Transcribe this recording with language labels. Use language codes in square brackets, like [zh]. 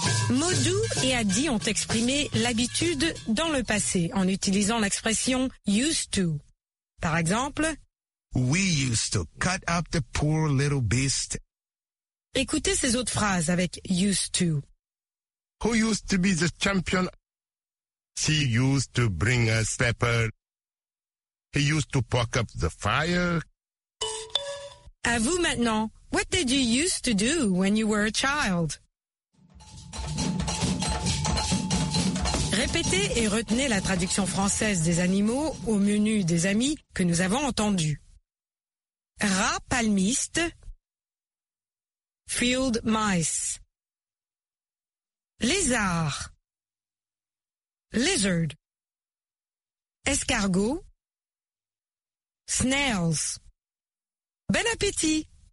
[fr] Modou et Addy ont exprimé l'habitude dans le passé en utilisant l'expression « used to ». Par exemple, [en] « We used to cut up the poor little beast ». [fr] Écoutez ces autres phrases avec « used to ». [en] Who used to be the champion? She used to bring us pepper. He used to poke up the fire. [fr] À vous maintenant. [en] What did you used to do when you were a child? [fr] Répétez et retenez la traduction française des animaux au menu des amis que nous avons entendu. Rat palmiste. [en] Field mice. [fr] Lézard. [en] Lizard. [fr] Escargot. [en] Snails. [fr] Bon appétit!